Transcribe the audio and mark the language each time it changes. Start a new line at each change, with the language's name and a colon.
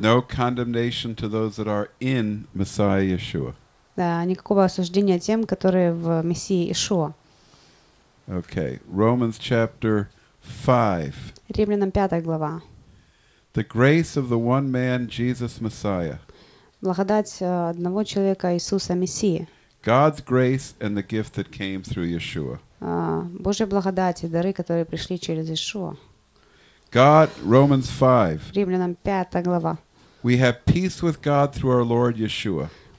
English: No condemnation to those that are in Messiah Yeshua.
Russian: Да, никакого осуждения тем, которые в Мессии Иешуа.
English: Okay, Romans chapter 5.
Russian: Римлянам 5 глава.
English: The grace of the one man Jesus Messiah.
Russian: Благодать одного человека Иисуса Мессии.
English: God's grace and the gift that came through Yeshua.
Russian: Божья благодать и дары, которые пришли через Иешуа.
English: God, Romans 5.
Russian: Римлянам 5 глава.
English: We have peace with God through our Lord Yeshua.